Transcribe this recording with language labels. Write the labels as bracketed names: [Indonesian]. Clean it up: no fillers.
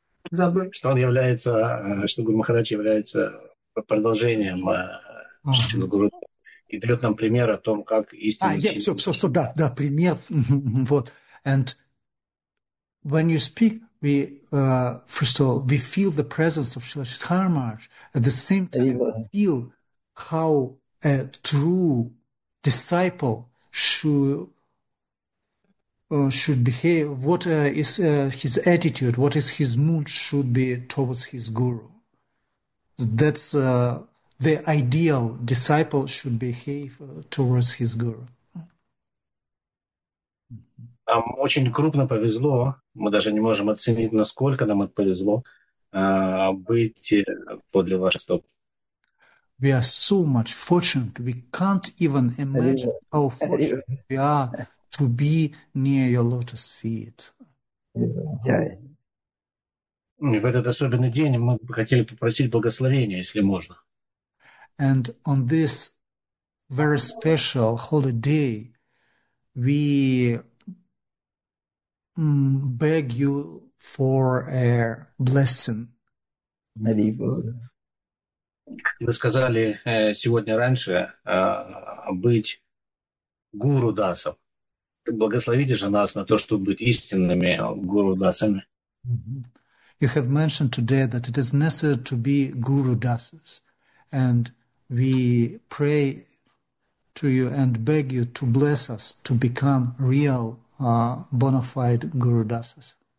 [Russian] что он является, что Гуру Махарадж является продолжением Шри Гуру и дает нам пример о том, как истинно чистить. Да, пример. Вот. [English] And when you speak, we first of all we feel the presence of Srila Chaitanya Maharaj. At the same time, we feel how a true disciple should behave. What is his attitude? What is his mood should be towards his guru? That's the ideal disciple should behave towards his guru. [Russian] Нам очень крупно повезло, мы даже не можем оценить, насколько нам это повезло, быть подле ваших стоп. [English] We are so much fortunate, we can't even imagine how fortunate we are to be near your lotus feet. [Russian] И в этот особенный день мы бы хотели попросить благословения, если можно. [English] And on this very special holiday, we beg you for a blessing. [Russian] Вы сказали сегодня раньше быть гуру дасом. Благословите же нас на то, чтобы быть истинными гуру дасами. [English] You have mentioned today that it is necessary to be guru dasas, and we pray to you and beg you to bless us to become real bona fide guru dasas.